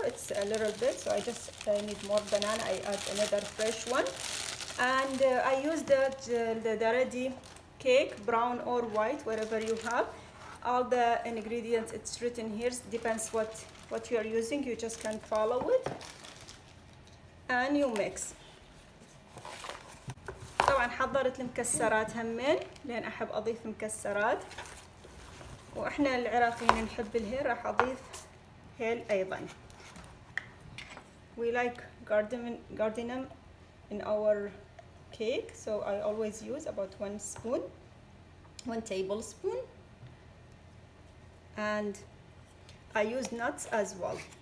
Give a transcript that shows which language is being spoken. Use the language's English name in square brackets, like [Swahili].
[English] It's a little bit, so I just need more banana. I add another fresh one, and I use the ready cake, brown or white, whatever you have. All the ingredients it's written here, depends what you are using, you just can follow it and you mix. [Arabic] طبعا حضرت المكسرات همين لان احب اضيف مكسرات، واحنا العراقيين نحب الهيل، راح اضيف هيل ايضا. [English] We like cardamom in our cake, so I always use about one tablespoon. And I use nuts as well.